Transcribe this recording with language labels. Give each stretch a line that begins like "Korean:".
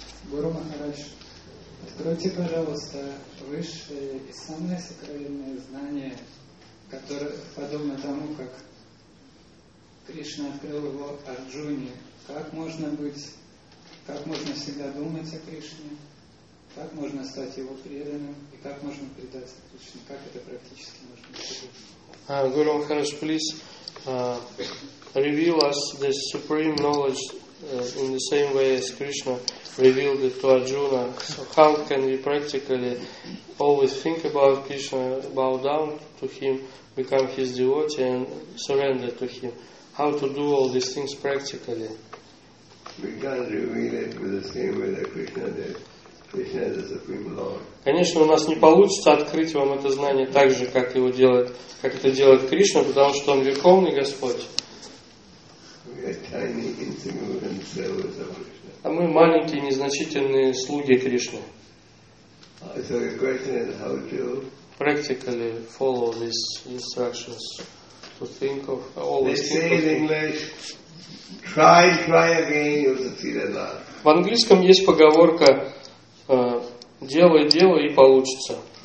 Russian: Гуру Махарадж, откройте, пожалуйста, высшие и самые сокровенные знания, которые подобны тому, как Кришна открыл его Арджуне. Как можно быть, как можно всегда думать о Кришне, как можно стать его преданным и как можно предаться Кришне, как это практически можно сделать?
English: Guru Maharaj, please reveal us the supreme knowledge in the same way as Krishna revealed it to Arjuna. So how can we practically always think about Krishna, bow down to him, become his devotee and surrender to him? How to do all these things practically? We can't reveal it with the same way that Krishna did. Krishna is the Supreme Lord.
Russian: Конечно, у нас не получится открыть вам это знание так же, как его делает, как это делает Кришна, потому что он Верховный Господь.
English: We are tiny, insignificant servants of Krishna.
Russian: А мы маленькие, незначительные слуги Кришны.
English: So the question is how to practically follow these instructions. To think of always. They say in English, try again, you'll succeed at last.
Russian: В английском есть поговорка делай и получится.